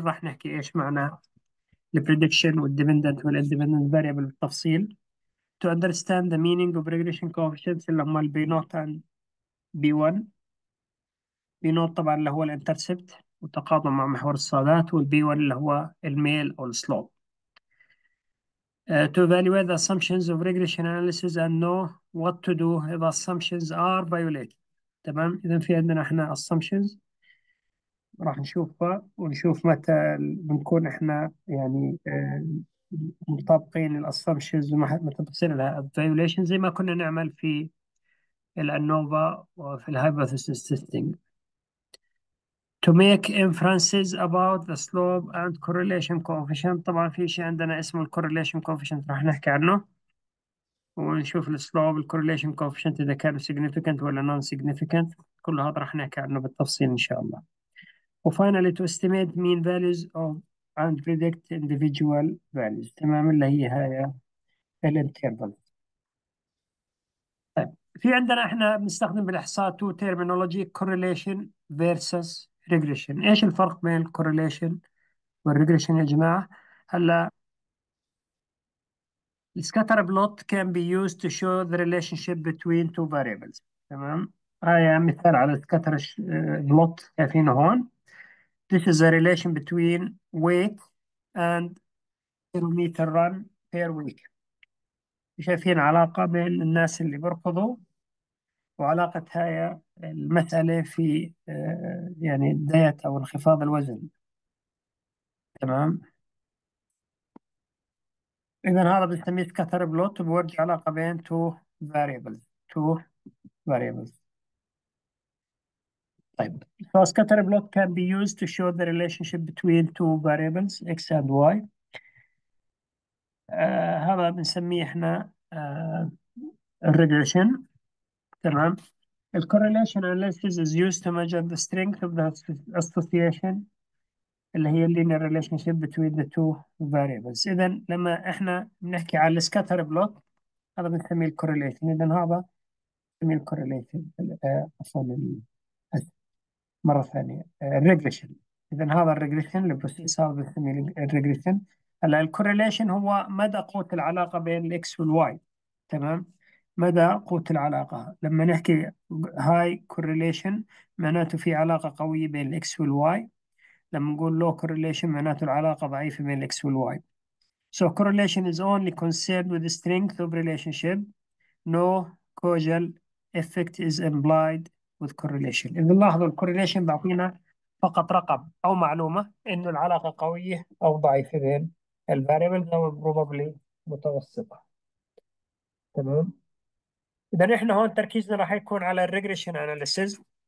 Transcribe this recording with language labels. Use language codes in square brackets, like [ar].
[ar] راح نحكي ايش معناه [en] البريدكشن والديبندنت والاندبندنت فاريبل [ar] بالتفصيل. [en] to understand the meaning of regression coefficients [ar] اللي هم [en] البي nought and B 1. [ar] بي نوت طبعا اللي هو الانترسبت والتقاطع مع محور الصادات، والبي 1 اللي هو الميل او السلوب. [en] To evaluate the assumptions of regression analysis and know what to do if assumptions are violated. [ar] تمام، إذا في عندنا احنا assumptions راح نشوفها، ونشوف متى بنكون احنا يعني مطابقين للأسامبشنز، متى بتصير لها فيوليشن زي ما كنا نعمل في الأنوفا وفي الهايبوثيسيس تيستينج. [en] To make inferences about the slope and correlation coefficient. [ar] طبعا في شيء عندنا اسمه الكورليشن كوفيشنت راح نحكي عنه، ونشوف السلوب الكورليشن كوفيشنت إذا كان significant ولا non significant. كل هذا راح نحكي عنه بالتفصيل إن شاء الله. [en] وفاينالي to estimate mean values of and predict individual values. [ar] تمام، اللي هي هاي الانترفال. طيب، في عندنا احنا بنستخدم بالاحصاء [en] Two terminology, correlation versus regression. [ar] ايش الفرق بين الكورليشن والريجريشن يا جماعه؟ هلا [en] السكاتر plot can be use to show the relationship between two variables. [ar] تمام، هاي مثال على السكاتر بلوت شايفينه هون. [en] This is a relation between weight and kilometer run per week. [ar] شايفين علاقة بين الناس اللي بيركضوا، وعلاقة هاي المسألة في يعني الدايت أو انخفاض الوزن. تمام، إذا هذا بنسميه سكاتر بلوت، وبورجي علاقة بين two variables. [en] طيب، so scatter plot can be used to show the relationship between two variables x and y. [ar] هذا بنسميه احنا regression. [en] تمام، ال correlation analysis is used to measure the strength of the association [ar] اللي هي [en] linear relationship between the two variables. [ar] إذا لما احنا بنحكي على scatter plot هذا بنسميه ال correlation. إذا هذا بنسميه ال correlation عفوا مرة ثانية الريجريشن. إذا هذا الريجريشن، البروسيس هذا بنسميه الريجريشن. هلا الكوريليشن هو مدى قوة العلاقة بين الإكس والواي. تمام، مدى قوة العلاقة لما نحكي هاي كوريليشن معناته في علاقة قوية بين الإكس والواي، لما نقول لو كوريليشن معناته العلاقة ضعيفة بين الإكس والواي. [en] So correlation is only concerned with the strength of relationship. No causal effect is implied with correlation. [ar] إذا لاحظوا الكوريليشن بعطينا فقط رقم أو معلومة إنه العلاقة قوية أو ضعيفة بين الـ variable أو الـ probably متوسطة. تمام، إذا إحنا هون تركيزنا راح يكون على الـ regression analysis.